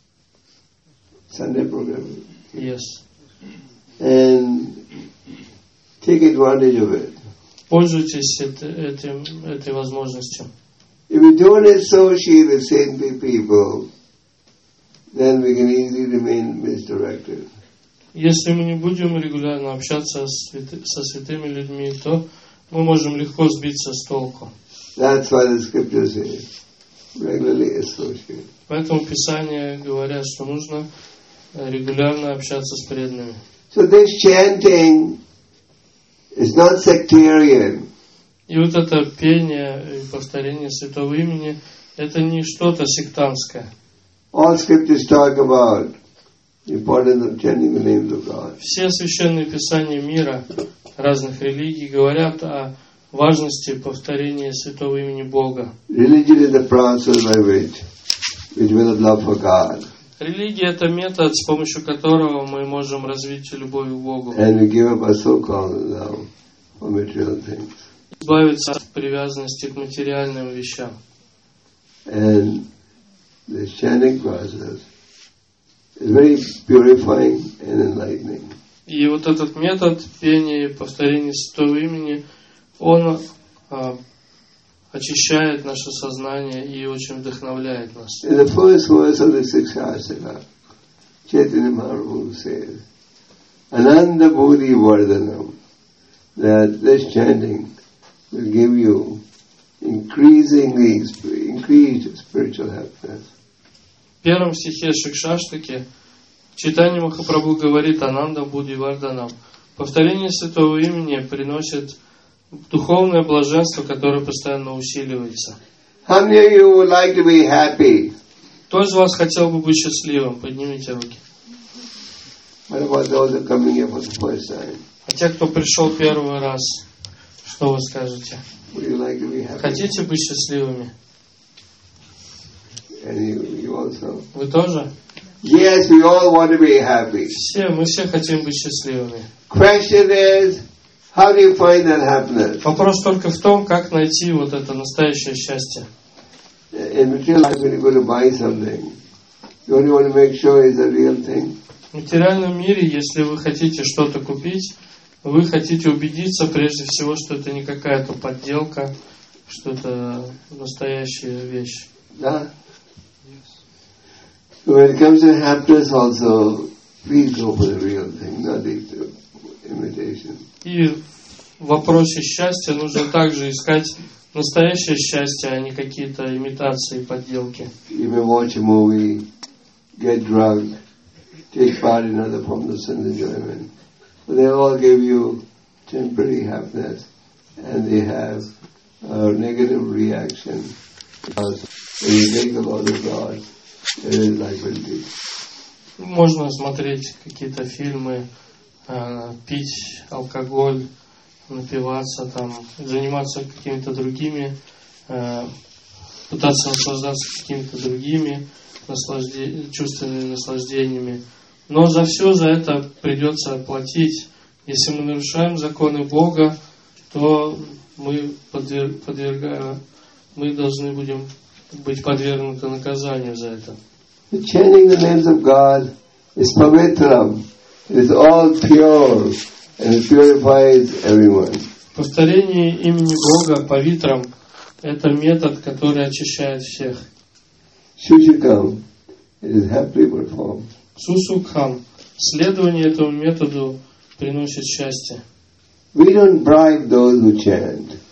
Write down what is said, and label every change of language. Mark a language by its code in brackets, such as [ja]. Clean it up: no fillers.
[en] Yeah. Sunday program. Yes. And take advantage of it. [ru] Пользуйтесь этой возможностью. [en] If we don't associate with saintly people, then we can easily remain misdirected. [ru] Если мы не будем регулярно общаться со святыми людьми, то мы можем легко сбиться с толку. [en] That's why the scripture says regularly associate. [ru] Поэтому Писание говорит, что нужно регулярно общаться с преданными. [en] So this chanting is not sectarian. [ru] И вот это пение и повторение святого имени, это не что-то сектантское. [en] All scriptures talk about the importance of chanting the name of God. [ru] Все священные писания мира разных религий говорят о важности повторения святого имени Бога. [en] Religion is the process by which we develop love for God. [ru] Религия это метод, с помощью которого мы можем развить любовь к Богу. [en] And we give up our so-called love for material things. [ru] Избавиться от привязанности к материальным вещам. [en] And the chanting process is very purifying and enlightening. [ru] И вот этот метод пения и повторения святого имени, он очищает наше сознание и очень вдохновляет нас. [en] In the first verse of the Sikshasana, Chaitanya Mahaprabhu says, Ananda Bodhi Vardhanam, that this chanting will give you increased spiritual happiness. [ru] В первом стихе Шикшаштаки Чайтанья Махапрабху говорит Ананда Будди Варданам. Повторение святого имени приносит духовное блаженство, которое постоянно усиливается. [en] How many of you would like to be happy? [ru] Кто из вас хотел бы быть счастливым? Поднимите руки. [en] What about those who come here for the first time? [ru] А те, кто пришел первый раз, что вы скажете? [en] Would you like to be happy? [ru] Хотите быть счастливыми? [en] And you also? [ru] Вы тоже? [en] Yes, we all want to be happy. [ru] Все, мы все хотим быть счастливыми. [en] Question is, how do you find that happiness? [ru] Вопрос только в том, как найти вот это настоящее счастье. [en] In material life, when you go to buy something, you only want to make sure it's a real thing. [ru] В материальном мире, если вы хотите что-то купить, вы хотите убедиться, прежде всего, что это не какая-то подделка, что это настоящая вещь. Да. [en] When it comes to happiness also, please go for the real thing, not the imitation. [ru] И в вопросе счастья нужно также искать настоящее счастье, а не какие-то имитации, подделки. [en] You may watch a movie, get drunk, take part in other forms of sense enjoyment. But they all give you temporary happiness and they have a negative reaction because when you think about the God, [ru] можно смотреть какие-то фильмы, пить алкоголь, напиваться, там, заниматься какими-то другими, пытаться наслаждаться какими-то другими чувственными наслаждениями. Но за все за это придется платить. Если мы нарушаем законы Бога, то мы должны будем быть подвергнуты наказанию за это. [en] The chanting the names of God is pavitram. It is all pure and it purifies everyone. [ru] Повторение имени Бога павитрам – это метод, который очищает всех. [en] Сусукхам – it is happily performed. [ru] Сусукхам – следование этому методу приносит счастье. [en] We don't bribe those who chant.